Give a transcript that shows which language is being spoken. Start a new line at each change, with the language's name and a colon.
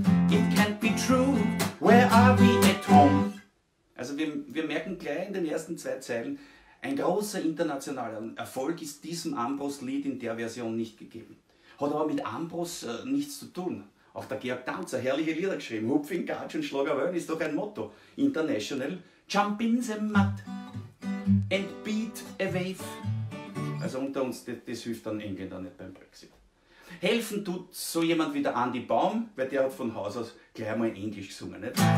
English: It can't be true, where are we at home?
German: Also wir merken gleich in den ersten zwei Zeilen, ein großer internationaler Erfolg ist diesem Ambros-Lied in der Version nicht gegeben. Hat aber mit Ambros nichts zu tun. Auch der Georg Danzer, herrliche Lieder geschrieben. Hupfing, Gatsch und Schlager Wöhn ist doch ein Motto.
English: International, jump in the mud and beat a wave.
German: Also unter uns, das hilft dann England auch nicht beim Brexit. Helfen tut so jemand wie der Andy Baum, weil der hat von Haus aus gleich mal in Englisch gesungen. Nicht?